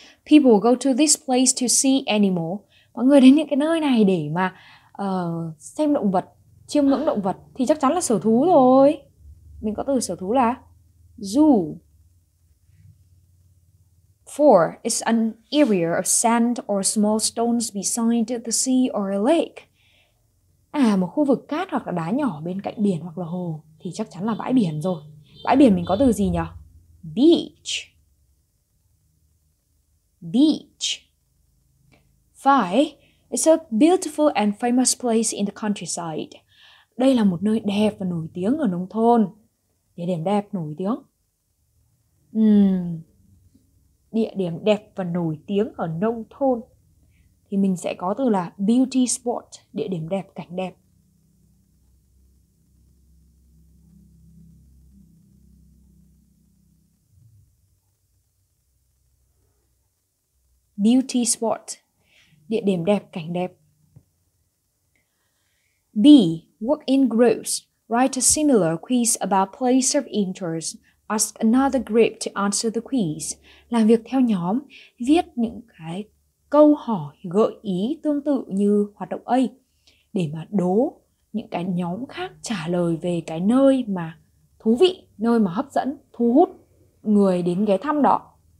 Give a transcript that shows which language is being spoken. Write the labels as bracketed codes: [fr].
[en] People go to this place to see animal. [vi] Mọi người đến những cái nơi này để mà xem động vật, chiêm ngưỡng động vật thì chắc chắn là sở thú rồi. Mình có từ sở thú là zoo. [en] 4. It's an area of sand or small stones beside the sea or a lake. [vi] À, một khu vực cát hoặc là đá nhỏ bên cạnh biển hoặc là hồ thì chắc chắn là bãi biển rồi. Bãi biển mình có từ gì nhỉ? [en] Beach. 5. It's a beautiful and famous place in the countryside. [vi] Đây là một nơi đẹp và nổi tiếng ở nông thôn. Địa điểm đẹp nổi tiếng. Địa điểm đẹp và nổi tiếng ở nông thôn thì mình sẽ có từ là beauty spot, địa điểm đẹp, cảnh đẹp. beauty spot, địa điểm đẹp, cảnh đẹp. [en] B. Work in groups. Write a similar quiz about place of interest. Ask another group to answer the quiz. [vi] Làm việc theo nhóm, viết những cái câu hỏi gợi ý tương tự như hoạt động A để mà đố những cái nhóm khác trả lời về cái nơi mà thú vị, nơi mà hấp dẫn, thu hút người đến ghé thăm đó.